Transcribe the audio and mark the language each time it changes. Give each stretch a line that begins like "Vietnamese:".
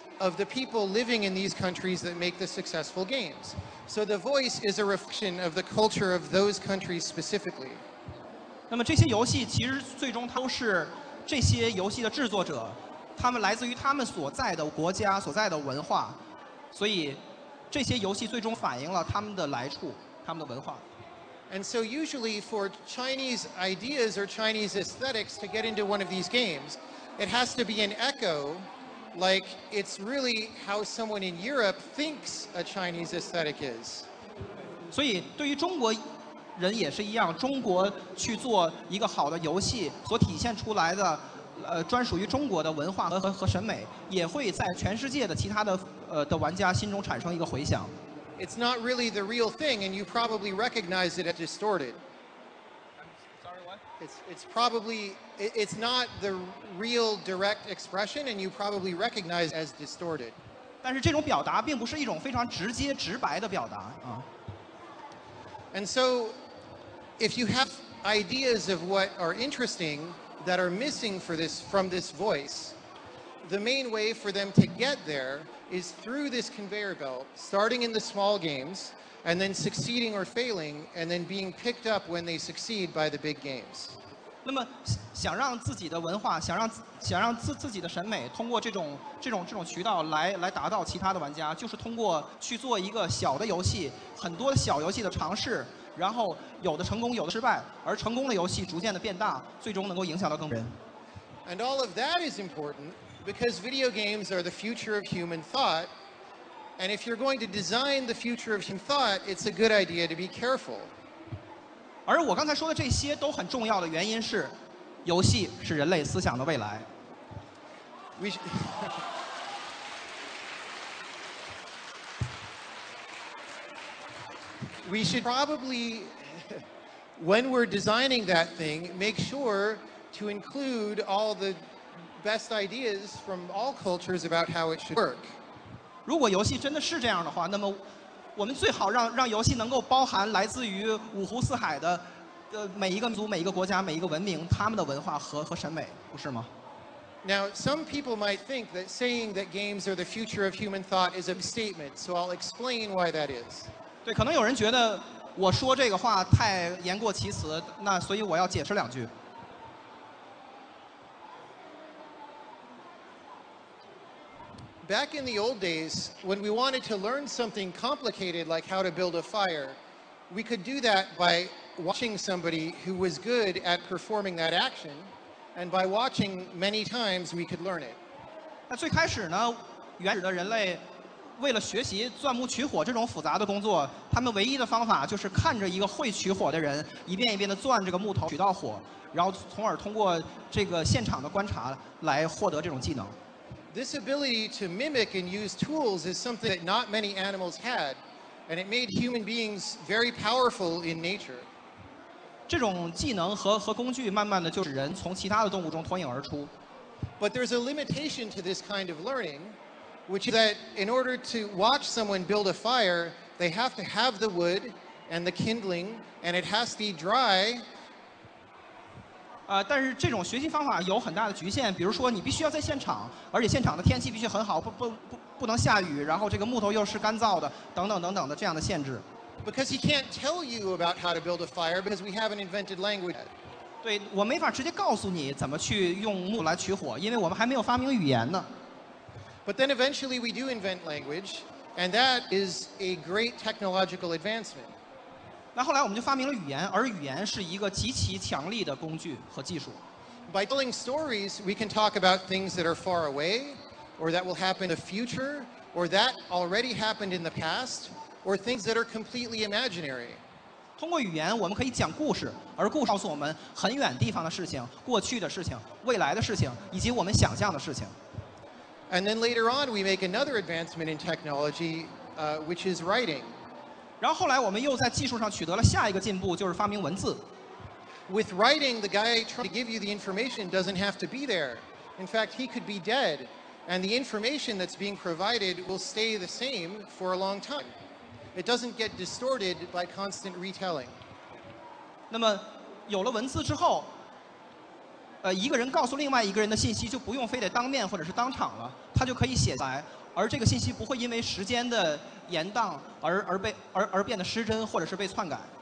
English: Of the people living in these countries that make the successful games, so the voice is a reflection of the culture of those countries specifically.
Chinese: 那么这些游戏其实最终它都是这些游戏的制作者他们来自于他们所在的国家所在的文化，所以这些游戏最终反映了他们的来处，他们的文化。
English: And so usually for Chinese ideas or Chinese aesthetics to get into one of these games, it has to be an echo, like it's really how someone in Europe thinks a Chinese aesthetic is.
Chinese: 所以对于中国人也是一样，中国去做一个好的游戏所体现出来的专属于中国的文化 和审美，也会在全世界的其他 的玩家心中产生一个回响。
English: It's not really the real thing, and you probably recognize it as distorted. Sorry, what? It's probably, it's not the real direct expression, and you probably recognize it as distorted.
Chinese: 但是这种表达并不是一种非常直接直白的表达。
English: And so, if you have ideas of what are interesting that are missing from this voice, the main way for them to get there is through this conveyor belt, starting in the small games, and then succeeding or failing, and then being picked up when they succeed by the big games.
Chinese: 那么想让自己的文化，想让自己的审美通过这种渠道来达到其他的玩家，就是通过去做一个小的游戏，很多小游戏的尝试，然后有的成功，有的失败，而成功的游戏逐渐的变大，最终能够影响到更多人。
English: And all of that is important. Because video games are the future of human thought, and if you're going to design the future of human thought, it's a good idea to be careful.
Chinese: 而我刚才说的这些都很重要的原因是，游戏是人类思想的未来。
English: We should probably, when we're designing that thing, make sure to include all the. Best ideas from all cultures about how it should work.
Chinese: 如果游戏真的是这样的话，那么我们最好让游戏能够包含来自于五湖四海的每一个民族、每一个国家、每一个文明他们的文化和审美，不是吗？
English: Now, some people might think that saying that games are the future of human thought is a statement, so I'll explain why that is.
Chinese: 对，可能有人觉得我说这个话太言过其词，那所以我要解释两句。
English: Back in the old days, when we wanted to learn something complicated like how to build a fire, we could do that by watching somebody who was good at performing that action, and by watching many times, we could learn it.
Chinese: 那最开始呢，原始的人类为了学习钻木取火这种复杂的工作，他们唯一的方法就是看着一个会取火的人一遍一遍地钻这个木头取到火，然后从而通过这个现场的观察来获得这种技能。
English: This ability to mimic and use tools is something that not many animals had, and it made human beings very powerful in nature.
Chinese: 这种技能和工具慢慢的就使人从其他的动物中脱颖而出。
English: But there's a limitation to this kind of learning, which is that in order to watch someone build a fire, they have to have the wood and the kindling, and it has to be dry.
Chinese: 但是这种学习方法有很大的局限，比如说你必须要在现场，而且现场的天气必须很好，不能下雨，然后这个木头又是干燥的，等等等等的这样的限制。
English: Because he can't tell you about how to build a fire because we haven't invented language.
Chinese: 对，我没法直接告诉你怎么去用木来取火，因为我们还没有发明语言呢。
English: But then eventually we do invent language, and that is a great technological advancement.
Chinese: 那后来我们就发明了语言，而语言是一个极其强力的工具和技术。
English: By telling stories, we can talk about things that are far away, or that will happen in the future, or that already happened in the past, or things that are completely imaginary.
Chinese: 通过语言，我们可以讲故事，而故事告诉我们很远地方的事情、过去的事情、未来的事情，以及我们想象的事情。
English: And then later on, we make another advancement in technology, which is writing.
Chinese: 然后后来我们又在技术上取得了下一个进步，就是发明文字。
English: With writing, the guy trying to give you the information doesn't have to be there. In fact, he could be dead, and the information that's being provided will stay the same for a long time. It doesn't get distorted by constant retelling.
Chinese: 那么有了文字之后，一个人告诉另外一个人的信息就不用非得当面或者是当场了，他就可以写下来。而这个信息不会因为时间的延宕 而变得失真或者是被篡改。